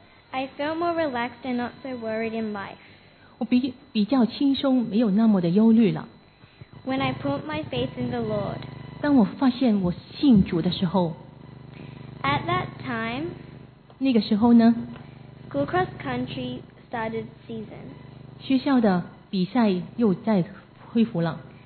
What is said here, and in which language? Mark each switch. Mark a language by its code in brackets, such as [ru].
[en] I felt more relaxed and not so worried in life. [zh] 我比较轻松，没有那么的忧虑了。 [en] When I put my faith in the Lord. [zh] 当我发现我信主的时候。 [en] At that time. [zh] 那个时候呢？ [en] School cross country started season. [zh] 学校的比赛又在恢复了。